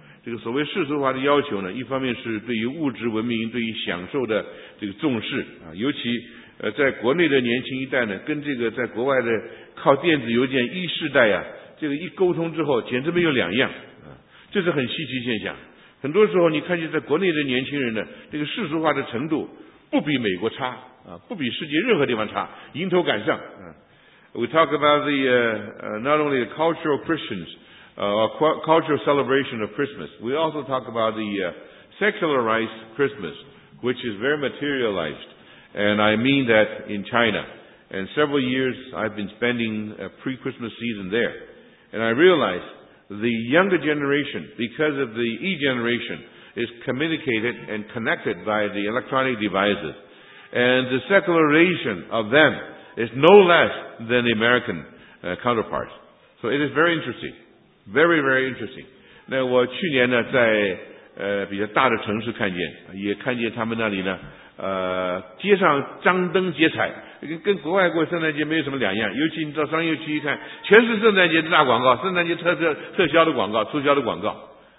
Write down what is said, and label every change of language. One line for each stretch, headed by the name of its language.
Chinese: 这个所谓世俗化的要求呢，一方面是对于物质文明对于享受的这个重视啊，尤其在国内的年轻一代呢跟这个在国外的靠电子邮件一世代啊这个一沟通之后简直没有两样啊，这是很稀奇现象。很多时候你看见在国内的年轻人呢这个世俗化的程度不比美国差啊，不比世界任何地方差，迎头赶上啊。
English: We talk about the not only the cultural Christians cultural celebration of Christmas, we also talk about the secularized Christmas, which is very materialized. And I mean that in China. And several years I've been spending a pre-Christmas season there. And I realize the younger generation, because of the e-generation, is communicated and connected by the electronic devices. And the secularization of them is no less than the American counterparts. So it is very interesting. Very, very interesting.
Chinese: 那我去年呢在比较大的城市看见，也看见他们那里呢街上张灯结彩，跟国外过圣诞节没有什么两样，尤其你到商业区一看，全是圣诞节的大广告，圣诞节特销的广告，促销的广告。